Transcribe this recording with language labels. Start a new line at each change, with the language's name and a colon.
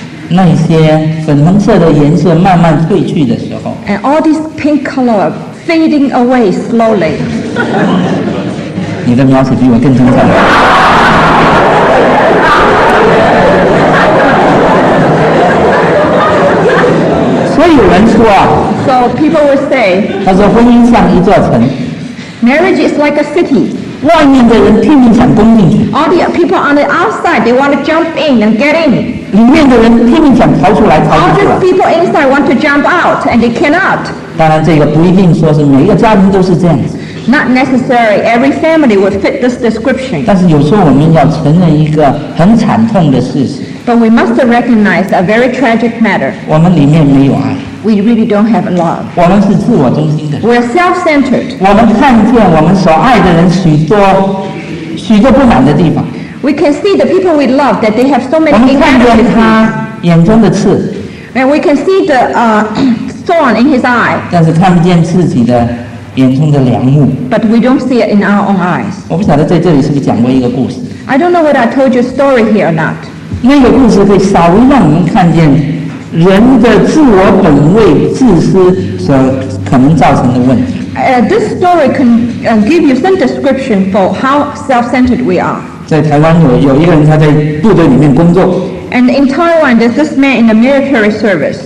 Chinese: 那些粉红色的颜色慢慢褪去的时候
English: ，and all this pink color fading away slowly.
Chinese: 你的描写比我更精彩。所以有人说啊。
English: So people would say.
Chinese: 他说婚姻像一座城。
English: Marriage is like a city.
Chinese: 外面的人拼命想攻进去。
English: All the people on the outside, they want to jump in and get in.
Chinese: 里面的人拼命想逃出来，逃出来。
English: All the people inside want to jump out, and they cannot.
Chinese: 当然，这个不一定说是每一个家庭都是这样子。
English: Not necessary. Every family would fit this description.
Chinese: 但是有时候我们要承认一个很惨痛的事实。
English: But we must recognize a very tragic matter.
Chinese: 我们里面没有爱。
English: We really don't have love.
Chinese: 我们是自我中心的。
English: We're self-centered.
Chinese: 我们看见我们所爱的人许多许多不满的地方。
English: We can see the people we love that they have so many inadequacies.
Chinese: 我们看见他眼中的刺。
English: And we can see the thorn in his eye.
Chinese: 但是看不见自己的。眼中的良木
English: But we don't see it in our own eyes.
Chinese: 我不晓得在这里是不是讲过一个故事。
English: I don't know whether I told you a story here or not.
Chinese: 那个故事会稍微让我们看见人的自我本位、自私所可能造成的问题。
English: This story can give you some description for how self-centered we are.
Chinese: 在台湾有一个人他在部队里面工作。
English: And in Taiwan, there's this man in the military service.